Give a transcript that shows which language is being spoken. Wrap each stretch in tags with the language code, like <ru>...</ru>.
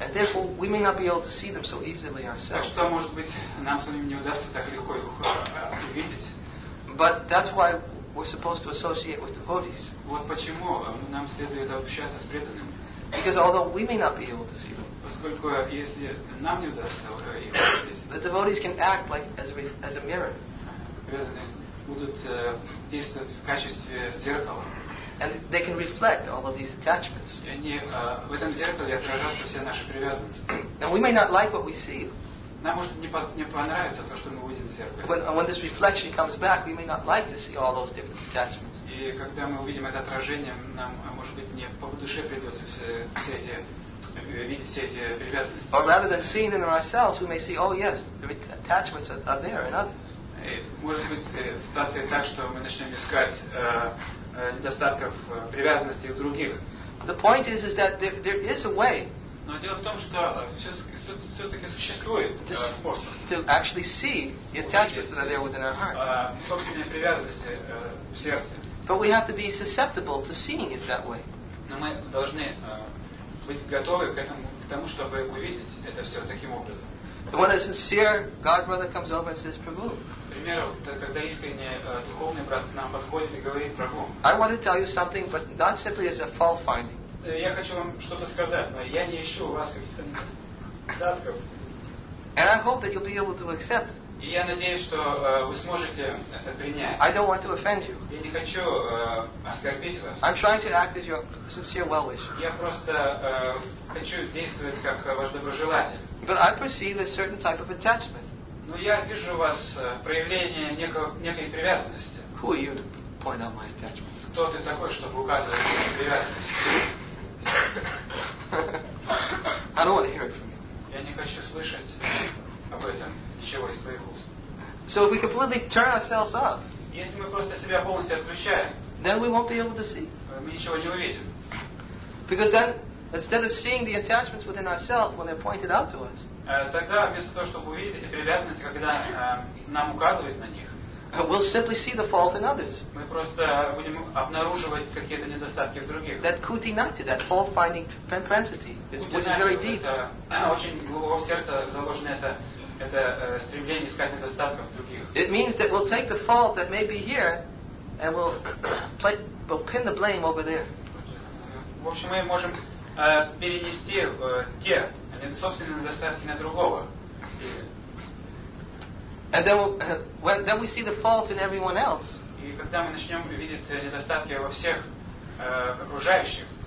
<en>And therefore, we may not be able to see them so easily ourselves.</en> <ru>Так что, может быть, нам самим не удастся так легко их увидеть.</ru> <en>But that's why we're supposed to associate with devotees.</en> <ru>Вот почему нам следует общаться с преданными.</ru> <en>Because although we may not be able to see them,</en> <ru>поскольку если нам не удастся их увидеть,</ru> <en>the devotees can act like as a mirror.</en> <ru>Преданные будут действовать в качестве зеркала.</ru> <en>And they can reflect all of these attachments.</en> <ru>И они в этом зеркале отражаются все наши привязанности.</ru> <en>Now we may not like what we see.</en> <ru>Нам может не понравится то, что мы увидим в зеркале.</ru> <en>When this reflection comes back, we may not like to see all those different attachments.</en> <ru>И когда мы увидим это отражение, нам, может быть, не по душе придется все эти привязанности.</ru> <en>Or rather than seeing them in ourselves, we may see, oh yes, the attachments are there in others.</en> <ru>Может быть, ситуация так, что мы начнем искать недостатков привязанности у других.</ru> <en>The point is that there is a way.</en> <ru>Но дело в том, что все-таки существует способ.</ru> <en>To actually see the attachments that are there within our heart.</en> <ru>Собственные привязанности в сердце.</ru> <en>But we have to be susceptible to seeing it that way.</en> <ru>Но мы должны быть готовы к тому, чтобы увидеть это все таким образом.</ru> <en>So when a sincere God brother comes over and says, Prabhu.</en> <ru>Например, когда искренний духовный брат к нам подходит и говорит, Прабху.</ru> <en>I want to tell you something, but not simply as a fault finding.</en> <ru>Я хочу вам что-то сказать, но я не ищу у вас каких-то недостатков.</ru> <en>And I hope that you'll be able to accept.</en> <ru>И я надеюсь, что вы сможете это принять.</ru> <en>I don't want to offend you.</en> <ru>Я не хочу оскорбить вас.</ru> <en>I'm trying to act as your sincere well-wisher.</en> <ru>Я просто хочу действовать как ваш доброжелатель.</ru> <en>But I perceive a certain type of attachment.</en> <ru>Но я вижу у вас проявление некой привязанности.</ru> <en>Who are you to point out my attachment?</en> <ru>Кто ты такой, чтобы указывать на привязанность?</ru> <en>I don't want to hear it from you.</en> <ru>Я не хочу слышать об этом ничего из твоих уст.</ru> <en>So if we completely turn ourselves up,</en> <ru>если мы просто себя полностью отключаем,</ru> <en>then we won't be able to see.</en> <ru>Мы ничего не увидим.</ru> <en>Because then, instead of seeing the attachments within ourselves when they're pointed out to us,</en> <ru>тогда вместо того, чтобы увидеть эти привязанности, когда нам указывают на них,</ru> <en>we'll simply see the fault in others.</en> <ru>Мы просто будем обнаруживать какие-то недостатки в других.</ru> <en>That kutinati, that fault-finding propensity, which is very deep.</en> <ru>Это очень глубоко в сердце заложено это стремление искать недостатков в других.</ru> <en>It means that we'll take the fault that may be here, and we'll pin the blame over there.</en> <ru>В общем, мы можем перенести те собственные недостатки на другого.</ru> <en>And then, then we see the faults in everyone else.</en> <ru>И когда мы начнем видеть недостатки во всех окружающих,</ru>